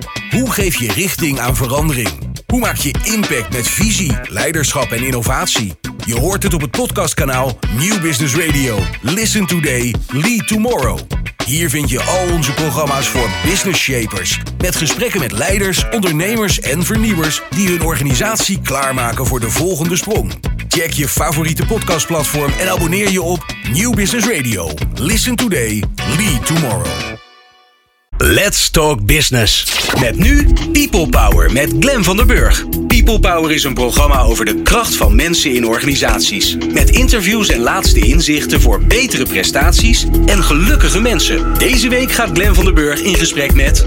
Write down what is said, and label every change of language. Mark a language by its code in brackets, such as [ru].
[nl] Hoe geef je richting aan verandering? Hoe maak je impact met visie, leiderschap en innovatie? Je hoort het op het podcastkanaal New Business Radio. [en] Listen today, lead tomorrow. [nl] Hier vind je al onze programma's voor business shapers. Met gesprekken met leiders, ondernemers en vernieuwers die hun organisatie klaarmaken voor de volgende sprong. Check je favoriete podcastplatform en abonneer je op New Business Radio. [en] Listen today, lead tomorrow. Let's Talk Business. [nl] Met nu People Power met Glenn van der Burg. People Power is een programma over de kracht van mensen in organisaties. Met interviews en laatste inzichten voor betere prestaties en gelukkige mensen. Deze week gaat Glenn van der Burg in gesprek met...